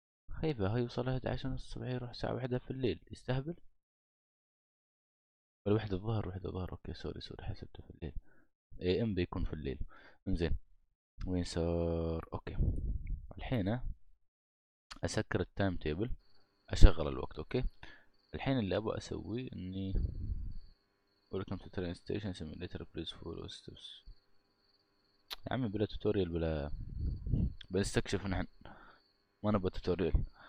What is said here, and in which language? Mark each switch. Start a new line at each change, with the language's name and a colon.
Arabic: خايفة هاي يوصل 11:30 الصبح، يروح الساعة 1 في الليل يستهبل. الوحدة الظهر، وحدة الظهر اوكي سوري سوري حسبته في الليل، اي ام بيكون في الليل. انزين وين صار؟ اوكي الحين اسكر التايم تيبل، اشغل الوقت. اوكي الحين اللي ابغى اسويه اني
English: Welcome to train station simulator please follow steps.
Arabic: يا عمي بلا توتوريال بلا بنستكشف نحن، ما نبغى توتوريال.